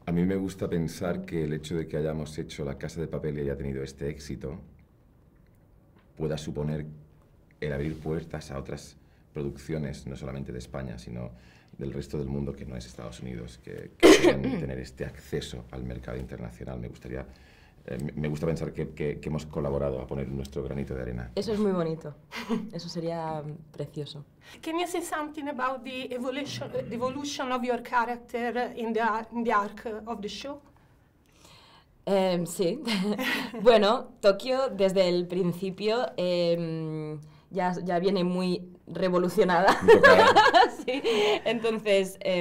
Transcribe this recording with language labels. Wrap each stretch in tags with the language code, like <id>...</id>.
<es>A mí me gusta pensar que el hecho de que hayamos hecho La Casa de Papel y haya tenido este éxito pueda suponer el abrir puertas a otras producciones, no solamente de España, sino del resto del mundo, que no es Estados Unidos, que puedan tener este acceso al mercado internacional. Me gusta pensar que hemos colaborado a poner nuestro granito de arena. Eso es muy bonito. Eso sería precioso.</es> <en>Can you say something about the evolution of your character in the arc of the show?</en> <es>Sí. Bueno, Tokyo desde el principio ya viene muy revolucionada. Sí. Entonces.</es>